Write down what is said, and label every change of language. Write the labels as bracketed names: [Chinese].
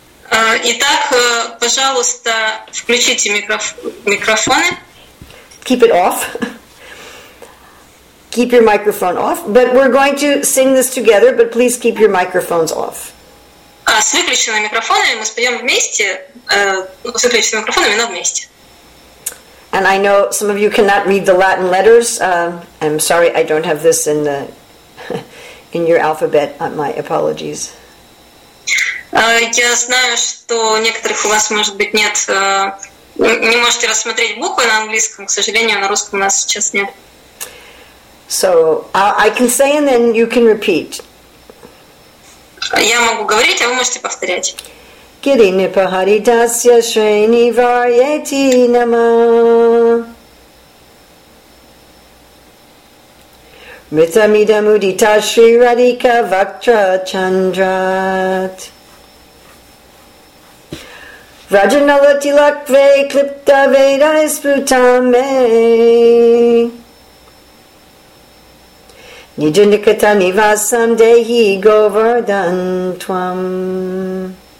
[Russian] Итак, пожалуйста, включите микрофоны. [English] Keep it off. Keep your microphone off. But we're going to sing this together, but please keep your microphones off. [Russian] С выключенными микрофонами мы споем вместе. С выключенными микрофонами, но вместе. [English] And I know some of you cannot read the Latin letters. I'm sorry, I don't have this in the in your alphabet. My apologies. [Russian] Я знаю, что некоторых у вас, может быть, нет. Не можете рассмотреть буквы на английском. К сожалению, на русском у нас сейчас нет. [English] So I can say and then you can repeat. [Russian] Я могу говорить, а вы можете повторять. [Sanskrit] Гири нрипа харидасья шрени варьяти нама Митам идам удита шри радика вактра чандрат Враджанала тилакве клипта веда испутаме Ниджаниката нивасам дехи говардан твам.